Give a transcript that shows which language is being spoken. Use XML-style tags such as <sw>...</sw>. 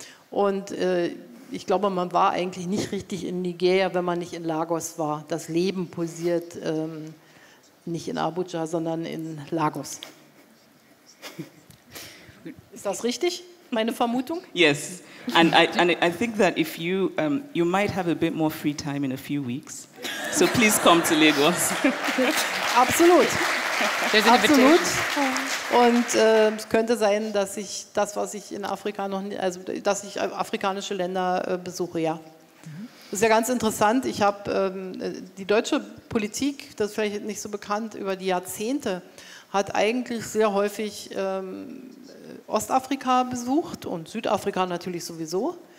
<de>Und ich glaube, man war eigentlich nicht richtig in Nigeria, wenn man nicht in Lagos war. Das Leben pulsiert nicht in Abuja, sondern in Lagos. Ist das richtig, meine Vermutung?</de> <en>Yes. And I think that if you you might have a bit more free time in a few weeks, so please come to Lagos.</en> <de>Absolut. Absolut. Und es könnte sein, dass ich das, was ich in Afrika noch nie, also dass ich afrikanische Länder besuche, ja. Das ist ja ganz interessant. Ich habe die deutsche Politik, das ist vielleicht nicht so bekannt, über die Jahrzehnte hat eigentlich sehr häufig Ostafrika besucht und Südafrika natürlich sowieso.</de>